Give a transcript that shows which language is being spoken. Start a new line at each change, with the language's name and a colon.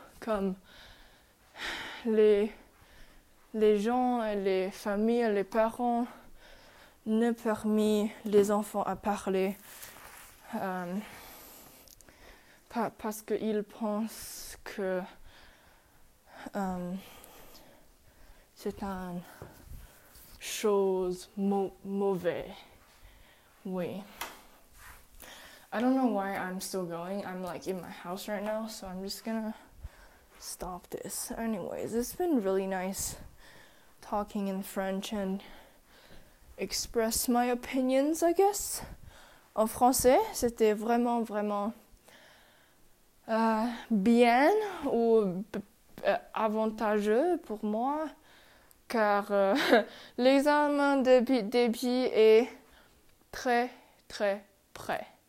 French: Comme les gens, les familles, les parents ne permettent les enfants à parler parce qu'ils pensent que c'est un chose mauvais. Oui.
English: I don't know why I'm still going. I'm like in my house right now, so I'm just gonna stop this. Anyways, it's been really nice talking in French and express my opinions, I guess,
French: en français. C'était vraiment, vraiment bien ou avantageux pour moi. Car l'examen débit est très, très près.